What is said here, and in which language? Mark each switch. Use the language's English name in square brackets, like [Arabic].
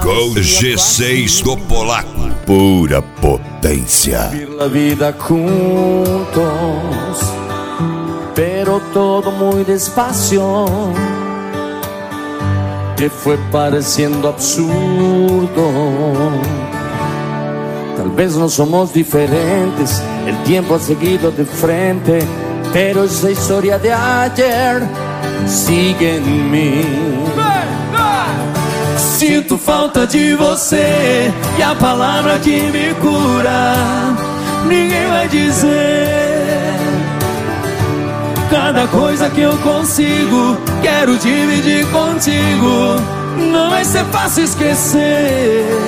[Portuguese] com G6 do Polaco, pura potência. [Spanish] Vivir a vida juntos, pero todo muy despacio, que fue pareciendo absurdo. Tal vez no somos diferentes, el tiempo ha seguido de frente, pero esa historia de ayer sigue en mí. [Portuguese] Sinto falta de você e a palavra que me cura ninguém vai dizer. Cada coisa que eu consigo quero dividir contigo, não vai ser fácil esquecer.